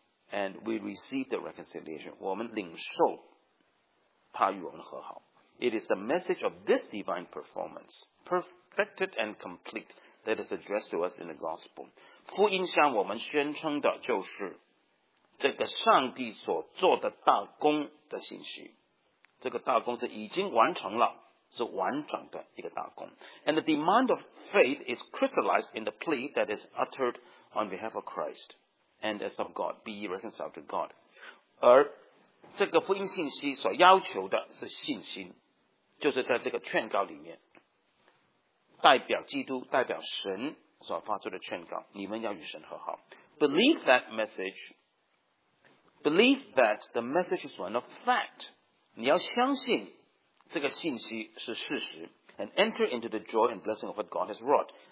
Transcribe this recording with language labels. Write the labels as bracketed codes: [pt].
[en] And we receive the reconciliation. [zh] 我们领受他与我们和好。 [en] It is the message of this divine performance, perfected and complete. that is addressed to us in the gospel. [zh] 福音向我们宣称的就是这个上帝所做的大功的信息。这个大功是已经完成了，是完整的一个大功。 [en] And the demand of faith is crystallized in the plea that is uttered on behalf of Christ. And as of God, be reconciled to God. [zh] 而这个福音信息所要求的是信心，就是在这个劝告里面。代表基督，代表神所发出的劝告，你们要与神和好。 [en] Believe that message. Believe that the message is one of fact. [zh] 你要相信这个信息是事实。 [en] And enter into the joy and blessing of what God has wrought.